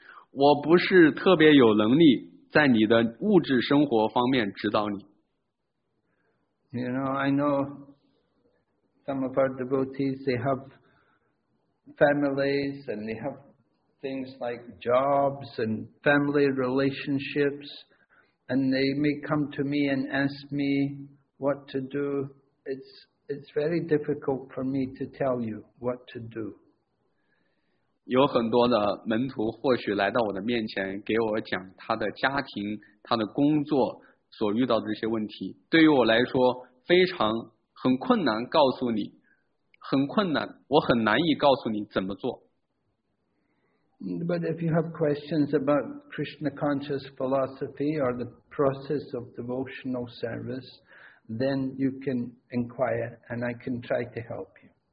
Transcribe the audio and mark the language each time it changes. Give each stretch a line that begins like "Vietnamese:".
Chinese: 我不是特别有能力在你的物质生活方面指导你。
English: You know, I know some of our devotees, they have families and they have things like jobs and family relationships, and they may come to me and ask me what to do. It's very difficult for me to tell you what to do.
Chinese: 有很多的门徒或许来到我的面前，给我讲他的家庭、他的工作所遇到的这些问题。对于我来说，很困难告诉你，很困难，我很难以告诉你怎么做。
English: But if you have questions about Krishna conscious philosophy or the process of devotional service, then you can inquire and I can try to help you.